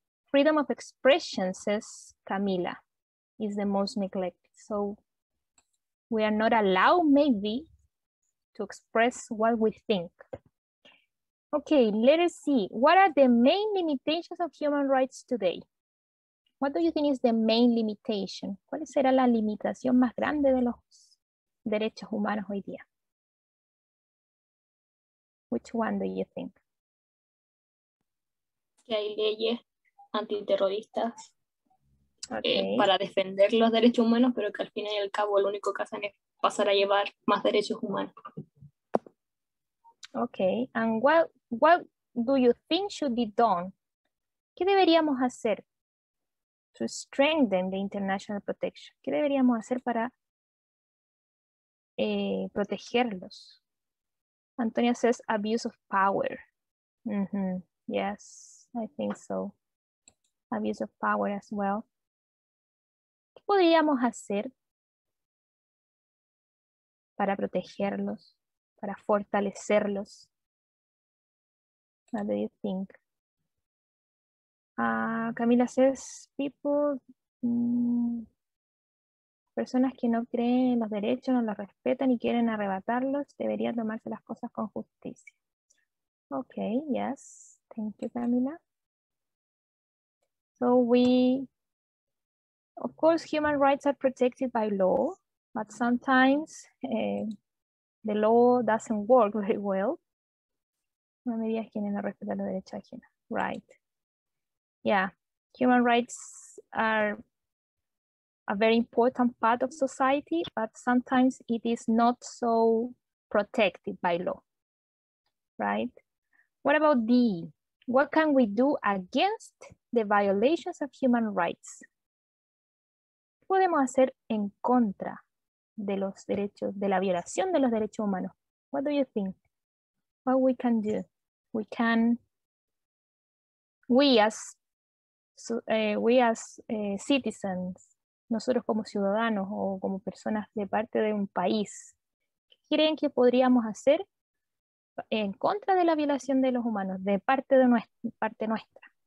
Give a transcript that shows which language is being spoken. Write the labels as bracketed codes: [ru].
[en] Freedom of expression, says Camila, is the most neglected. So we are not allowed, maybe, to express what we think. Okay, let us see. What are the main limitations of human rights today? What do you think is the main limitation? [es] ¿Cuál será la limitación más grande de los derechos humanos hoy día? [en] Which one do you think? [es] Que hay leyes antiterroristas para defender los derechos humanos, pero que al fin y al cabo lo único que hacen es pasar a llevar más derechos humanos. [en] Okay, and what do you think should be done? [es] ¿Qué deberíamos hacer [en] to strengthen the international protection? [es] ¿Qué deberíamos hacer para protegerlos? [en] Antonia says abuse of power. Mm-hmm. Yes, I think so. Abuse of power as well. [es] ¿Qué podríamos hacer para protegerlos? Para fortalecerlos. [en] What do you think? [es] Camila says personas que no creen en los derechos, no los respetan y quieren arrebatarlos, deberían tomarse las cosas con justicia. [en] Okay, yes. Thank you, Camila. So of course, human rights are protected by law, but sometimes, the law doesn't work very well. [es] No me digas quién no respeta los derechos ajenos. Right. Yeah. [en] Human rights are a very important part of society, but sometimes it is not so protected by law, right? What about D? What can we do against the violations of human rights? [es] ¿Qué podemos hacer en contra de los derechos, de la violación de los derechos humanos? [en] What do you think? What we can do? We can, we as citizens, [es] nosotros como ciudadanos o como personas de parte de un país, ¿qué creen que podríamos hacer en contra de la violación de los humanos de parte de nuestra, parte nuestra?